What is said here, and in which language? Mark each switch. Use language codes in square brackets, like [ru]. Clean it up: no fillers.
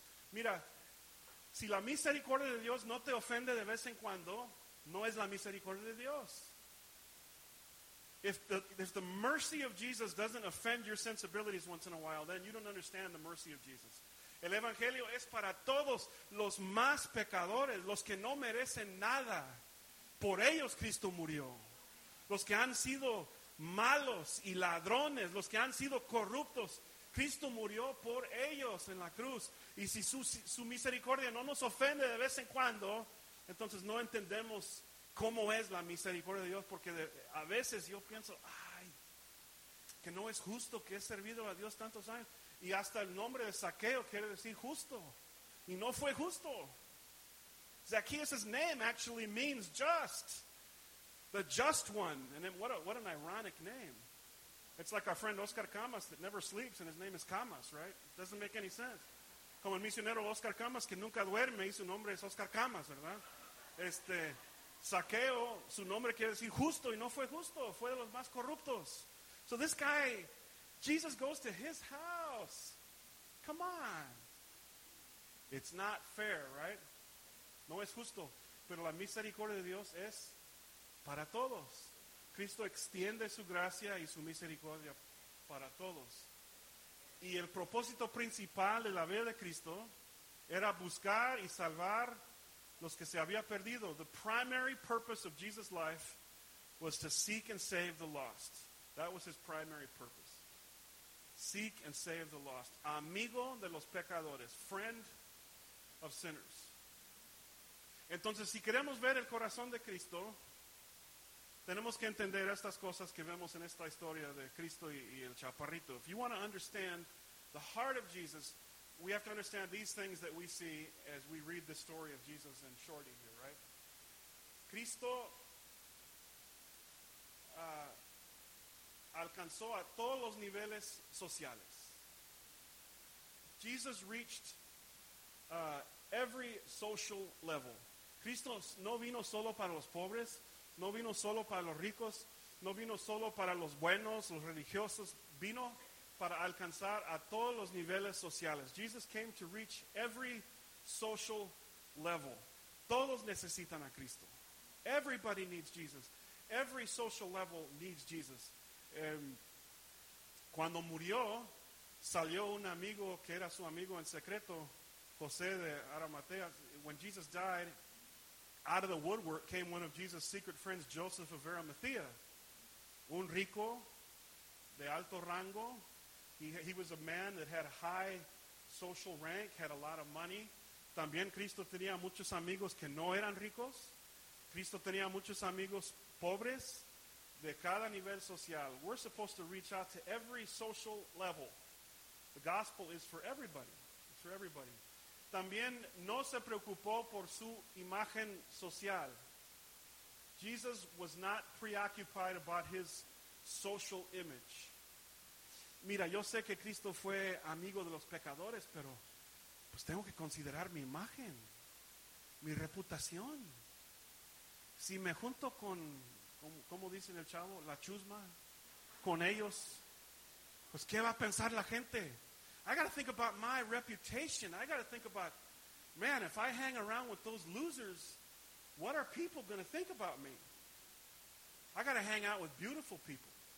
[es] Mira, si la misericordia de Dios no te ofende de vez en cuando, no es la misericordia de Dios. [en] If the mercy of Jesus doesn't offend your sensibilities once in a while, then you don't understand the mercy of Jesus. [es] El Evangelio es para todos los más pecadores, los que no merecen nada. Por ellos Cristo murió. Los que han sido malos y ladrones, los que han sido corruptos, Cristo murió por ellos en la cruz. Y si su misericordia no nos ofende de vez en cuando, entonces no entendemos cómo es la misericordia de Dios. Porque a veces yo pienso, ay, que no es justo que he servido a Dios tantos años. Y hasta el nombre de Zaqueo quiere decir justo. Y no fue justo. [en] Zacchaeus' name actually means just. The just one. And then what an ironic name. It's like our friend Oscar Camas that never sleeps and his name is Camas, right? It doesn't make any sense. [es] Como el misionero Oscar Camas que nunca duerme y su nombre es Oscar Camas, ¿verdad? Zaqueo, su nombre quiere decir justo y no fue justo. Fue de los más corruptos. [en] So this guy, Jesus goes to his house. Come on. It's not fair, right? [es] No es justo. Pero la misericordia de Dios es para todos. Cristo extiende su gracia y su misericordia para todos. Y el propósito principal de la vida de Cristo era buscar y salvar los que se había perdido. [en] The primary purpose of Jesus' life was to seek and save the lost. That was his primary purpose. Seek and save the lost. [es] Amigo de los pecadores. [en] Friend of sinners. [es] Entonces, si queremos ver el corazón de Cristo, tenemos que entender estas cosas que vemos en esta historia de Cristo y el chaparrito. [en] If you want to understand the heart of Jesus, we have to understand these things that we see as we read the story of Jesus and Shorty here, right? [es] Cristo alcanzó a todos los niveles sociales. [en] Jesus reached every social level. [es] Cristo no vino solo para los pobres. No vino solo para los ricos, no vino solo para los buenos, los religiosos, vino para alcanzar a todos los niveles sociales. [en] Jesus came to reach every social level. [es] Todos necesitan a Cristo. [en] Everybody needs Jesus. Every social level needs Jesus. [es] Cuando murió, salió un amigo que era su amigo en secreto, José de Arimatea. [en] When Jesus died, out of the woodwork came one of Jesus' secret friends, Joseph of Arimathea. [es] Un rico, de alto rango. [en] He was a man that had high social rank, had a lot of money. [es] También Cristo tenía muchos amigos que no eran ricos. Cristo tenía muchos amigos pobres, de cada nivel social. [en] We're supposed to reach out to every social level. The gospel is for everybody. It's for everybody. [es] También no se preocupó por su imagen social. [en] Jesus was not preoccupied about his social image. [es] Mira, yo sé que Cristo fue amigo de los pecadores, pero pues tengo que considerar mi imagen, mi reputación. Si me junto con, como dicen el chavo, la chusma, con ellos, Pues qué va a pensar la gente. [en] I got to think about my reputation. I got to think about, man, if I hang around with those losers, what are people going to think about me? I got to hang out with beautiful people.